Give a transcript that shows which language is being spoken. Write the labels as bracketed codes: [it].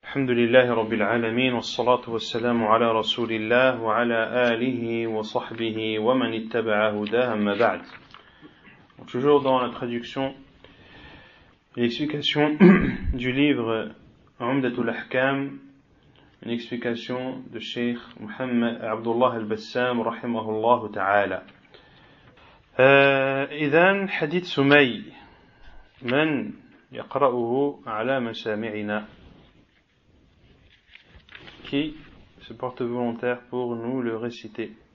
[ar] الحمد لله رب العالمين والصلاة والسلام على رسول الله وعلى آله وصحبه ومن اتبع هداه أما بعد. [fr] Toujours dans la traduction, l'explication du livre عمدت الأحكام, une explication de Sheikh Mohammed Abdullah al-Bassam [ar] رحمه الله تعالى. إذن حديث سمي من يقرأه على مسامعنا. [fr] Qui se porte volontaire pour nous le réciter.